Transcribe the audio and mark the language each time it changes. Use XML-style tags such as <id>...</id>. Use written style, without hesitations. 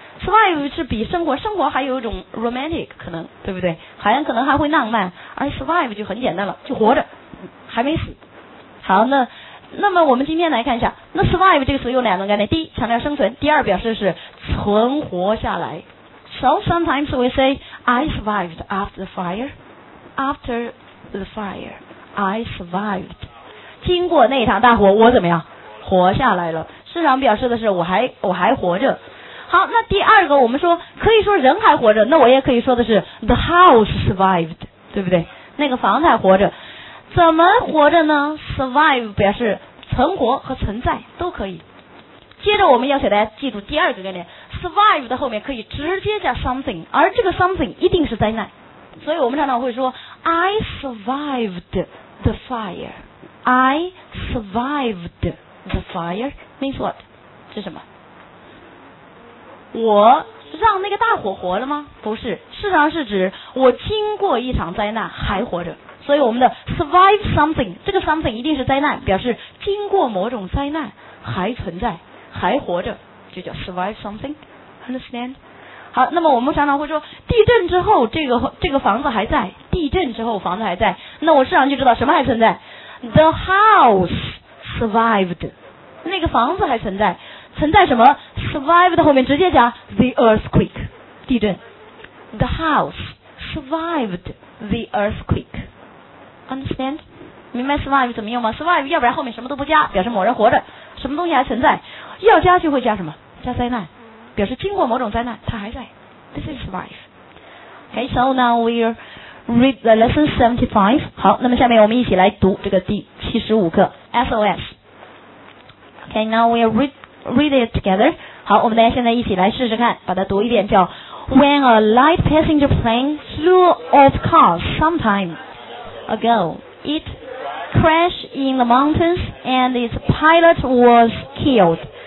<zh>Survive 是比生活还有一种 romantic， 可能对不对？好像可能还会浪漫，而 survive 就很简单了，就活着还没死。好，那么我们今天来看一下，那 survive 这个词有两种概念，第一强调生存，第二表示是存活下来。</zh> <en>So sometimes we say I survived after the fire. After the fire I survived，</en> <zh>经过那场大火我怎么样活下来了，市场表示的是我还活着。好，那第二个我们说可以说人还活着，那我也可以说的是</zh> <en>the house survived，</en> <zh>对不对？那个房子还活着。怎么活着呢？Survive 表示存活和存在都可以。接着我们要给大家记住第二个概念， Survive 的后面可以直接加 something， 而这个 something 一定是灾难。所以我们常常会说</zh> <en>I survived the fire， I survived the fire means what？</en> <zh>是什么？我让那个大火活了吗？不是，事实上是指我经过一场灾难还活着。所以我们的 survive something， 这个 something 一定是灾难，表示经过某种灾难还存在还活着，就叫 survive something， understand？好，那么我们常常会说地震之后这个房子还在，地震之后房子还在，那我市场就知道什么还存在，</zh> <en>the house survived，</en> <zh>那个房子还存在。存在什么？ survive 的后面直接加 the earthquake， 地震。</zh> <en>the house survived the earthquake，understand？</en> <zh>明白 survive 怎么用吗？survive 要不然后面什么都不加，表示某人活着，什么东西还存在，要加就会加什么？加灾难，表示经过某种灾难它还在。</zh> <en>This is survive. Okay, so now we read the lesson 75.</en> <zh>好，那么下面我们一起来读这个第75课 SOS.</zh> <en>Okay, now we read it together.</en> <zh>好，我们大家现在一起来试试看，把它读一遍，叫</zh> <en>When a light passenger plane flew off course sometimeAgo, it crashed in the mountains and its pilot was killed.</en>